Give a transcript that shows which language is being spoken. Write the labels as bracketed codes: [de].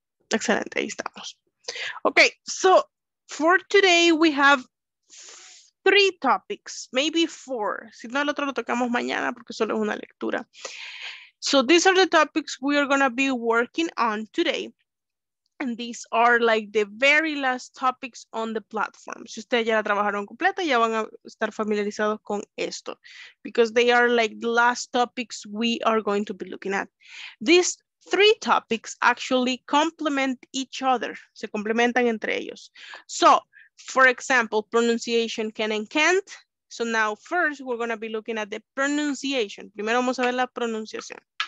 [es] Excelente, ahí estamos. [en] Okay, so for today we have three topics, maybe four. [es] Si no, el otro lo tocamos mañana porque solo es una lectura. [en] So these are the topics we are going to be working on today. And these are like the very last topics on the platform. [es] Si ustedes ya la trabajaron completa, ya van a estar familiarizados con esto. [en] Because they are like the last topics we are going to be looking at. These three topics actually complement each other. [es] Se complementan entre ellos. [en] So, for example, pronunciation can and can't. So now first we're going to be looking at the pronunciation. [es] Primero vamos a ver la pronunciación.